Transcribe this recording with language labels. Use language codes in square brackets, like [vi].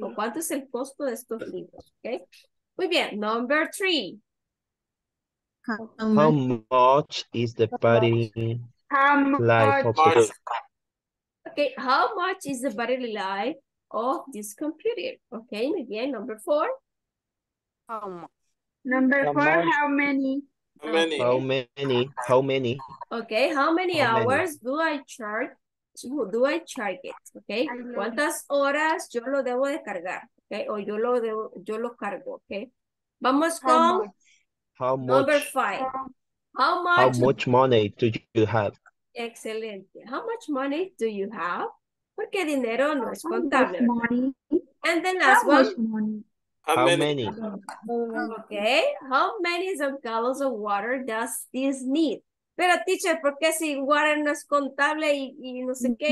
[es] ¿O cuánto es el costo de estos libros? [en] Okay. [es] Muy bien. [en] Number three. How much is the body life of the Okay, how much is the battery life of this computer? Okay, muy bien, number four. How much? Number four, how many? How many? How many? Okay, how many hours do I charge? Do I charge it? Okay, [es] ¿cuántas horas yo lo debo de cargar? Okay, o yo lo debo, yo lo cargo, okay? Vamos con [en] how much? Number five. How much? How much money do you have? Excelente. How much money do you have? [es] Porque dinero no es contable. [en] And then last how one. Much money? How many? Okay. How many gallons of water does this need? [es] Pero teacher, ¿por qué si water no es contable y no sé qué?